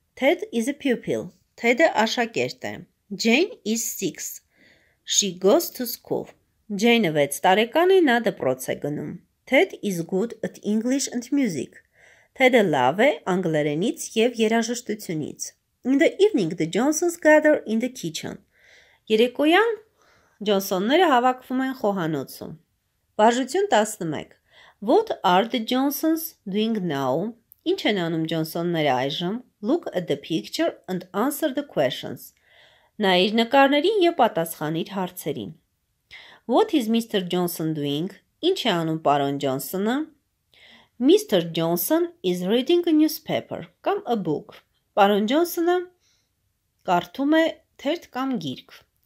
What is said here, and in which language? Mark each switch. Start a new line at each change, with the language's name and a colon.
English: Ted is a pupil.
Armenian: Ted-ը աշակերտ է.
English: Jane is 6. She goes to school.
Armenian: Jane-ը 6 տարեկան է, նա դպրոց է գնում.
English: Ted is good at English and music.
Armenian: Թերը լավ է անգլերենից և երաժշտությունից.
English: In the evening, the Johnsons gather in the kitchen.
Armenian: Երեկոյան Johnsonները հավաքվում են խոհանոցում. Բաժություն 11.
English: What are the Johnsons doing now?
Armenian: Ինչ են անում Johnsonները այժմ?
English: Look at the picture and answer the questions.
Armenian: Նա իր նկարներին և պատասխանիր հարցերին.
English: What is Mr. Johnson doing?
Armenian: Ինչ է անում պարոն Johnsonը?
English: Mr. Johnson is reading a newspaper, կամ a book.
Armenian: Պարոն Johnson-ը կարդում է թերթ կամ գիրք.